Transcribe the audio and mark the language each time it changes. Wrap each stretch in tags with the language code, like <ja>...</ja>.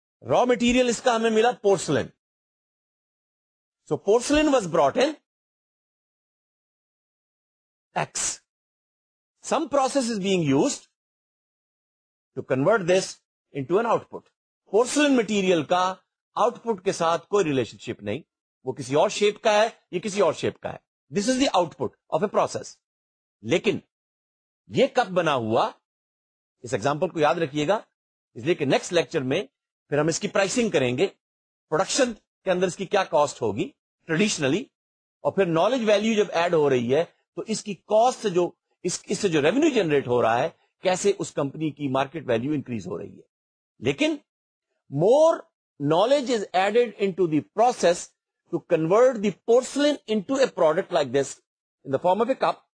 <en>raw material</en> <ur>اس کا ہمیں ملا</ur> <en>Porcelain. So porcelain was brought in X. Some process is being used to convert this into an output.</en> <ur>Porcelain material کا out put کے ساتھ کوئی relation شپ نہیں. وہ کسی اور شیپ کا ہے, یہ کسی اور شیپ کا ہے.</ur> <en>This is the output of a process.</en> <ur>لیکن یہ کپ بنا ہوا, اس ایگزامپل کو یاد رکھیے گا, اس لیے کہ نیکسٹ لیکچر میں پھر ہم اس کی پرائسنگ کریں گے, پروڈکشن کے اندر اس کی کیا کاسٹ ہوگی ٹریڈیشنلی, اور پھر نالج ویلیو جب ایڈ ہو رہی ہے تو اس کی کاسٹ جو اس سے جو ریونیو جنریٹ ہو رہا ہے کیسے اس کمپنی کی مارکیٹ ویلیو انکریز ہو رہی ہے.</ur> <en>لیکن more knowledge is added into the process to convert the porcelain into a product like this in the form of a cup.</en>